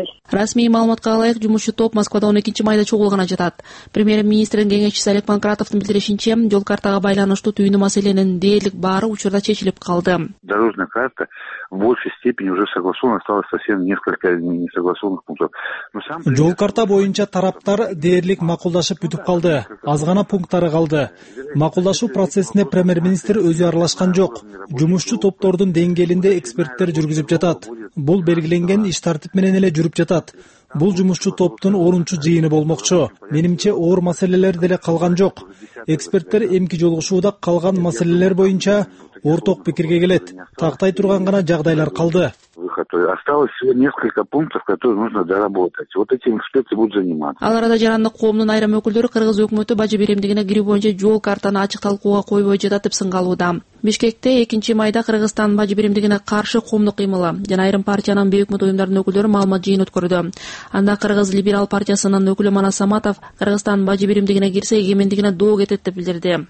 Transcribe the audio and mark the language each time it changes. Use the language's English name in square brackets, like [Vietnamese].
[Kyrgyz] Расмий маалыматка ылайык, жумушчу топ Москвада 12 майда чогулганы жатат. Премьер-министрдин кеңешчиси Олег Панкратовдун билдиришинче, жол картага байланыштуу түйүндү маселенин дээрлик баары учурда чечилип калды. [Russian] Дорожная карта в большей степени уже согласована, осталось совсем несколько несогласованных пунктов. [Kyrgyz] Жол карта боюнча тараптар дээрлик макулдашып бүтүп калды. Аз гана пункттары калды. Макулдашуу процессине премьер-министр өзү аралашкан жок. Жумушчу топтордун деңгээлинде эксперттер жүргүзүп жатат. Бул белгиленген иш тартип менен эле жүрүп жатат. Бул жумушчу топтун 10-чу жыйыны болмокчу. Менимче оор маселелер деле калган жок. Эксперттер эмки жолугушууда калган маселелер боюнча ортак пикирге келет. Тактай турган гана жагдайлар калды. [Russian] Осталось всего несколько пунктов, которые нужно доработать. Вот эти эксперты будут заниматься. [Kyrgyz] Ал арада жарандык коомдун айрым өкүлдөрү кыргыз өкмөтү бажы биримдигине кирүү боюнча жол картаны ачык талкууга койбой жатат деп сынгалууда. Бишкекте 2 майда Кыргызстан бажы биримдигине каршы коомдук кыймылы жана айрым партиянын бейөкмөт уюмдарынын өкүлдөрү маалымат жыйын өткөрдү. Анда Кыргыз либерал партиясынын өкүлү Манас Саматов Кыргызстан бажы биримдигине кирсе эгемендигине доо кетет деп билдирди.